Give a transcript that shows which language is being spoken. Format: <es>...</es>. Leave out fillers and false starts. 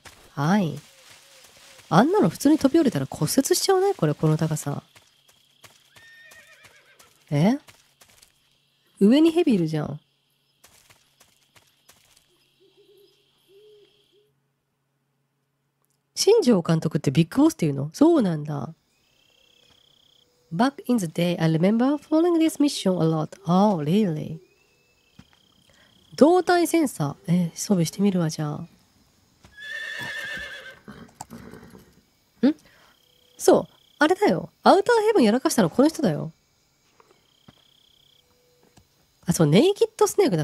<ja>はい、あんなの普通に飛び降りたら骨折しちゃうね、これこの高さ。え、上にヘビいるじゃん。新庄監督ってビッグボスっていうの？そうなんだ。</ja> <en>Back in the day, I remember following this mission a lot. Oh, really?</en> <ja>動体センサー、装備してみるわ、じゃあ。ん？そう、あれだよ。アウターヘブンやらかしたのこの人だよ。あ、そう、ネイキッドスネークだ。</ja>